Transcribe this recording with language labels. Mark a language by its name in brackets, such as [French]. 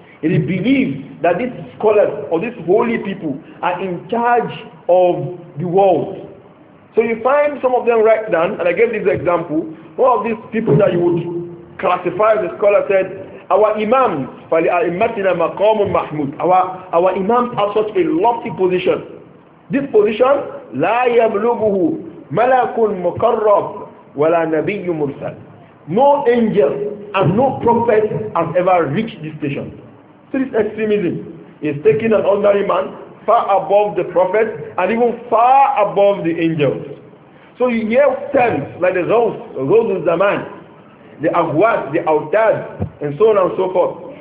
[English] It is believed that these scholars or these holy people are in charge of the world. So you find some of them write down, and I gave this example, one of these people that you would classify as a scholar said, our imams, our imams have such a lofty position. This position, [Arabic] لا يبلغه ملك مقرب ولا نبي مرسل. [English] No angel and no prophet has ever reached this station. So this extremism is taking an ordinary man far above the prophet and even far above the angels. So you hear terms like the Ghawth al-Zaman, the Aghwat, the Awtad, and so on and so forth.